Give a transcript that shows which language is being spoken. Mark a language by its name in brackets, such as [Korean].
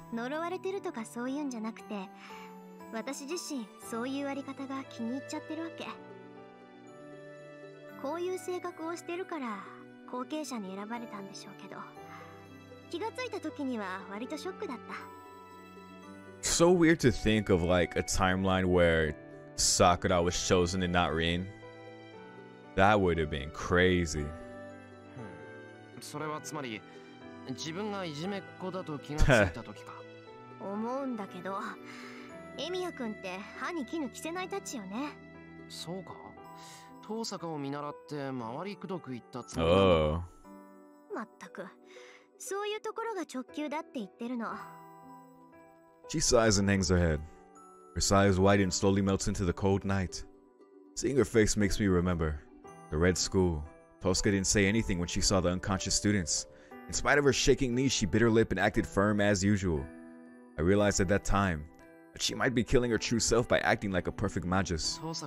[Japanese] 呪われてるとかそういうんじゃなくて、私自身そういうあり方が気に入っちゃってるわけ。こういう性格をしてるから後継者に選ばれたんでしょうけど、気がついた時には割とショックだった。 [English] So weird to think of like a timeline where Sakura was chosen and not Rin. That would have been crazy. [Japanese] それはつまり。自分がいじめっ子だと気がついた時か。思うんだけど、エミヤ君って歯に絹着せないたちよね。そうか。遠坂を見習って周りくどく言ったつもり。まったく、そういうところが直球だって言ってるの。 [English] She sighs and hangs her head. Her sigh is wide and slowly melts into the cold night. Seeing her face makes me remember the Red School. Tosca didn't say anything when she saw the unconscious students. In spite of her shaking knees, she bit her lip and acted firm as usual. I realized at that time that she might be killing her true self by acting like a perfect magus.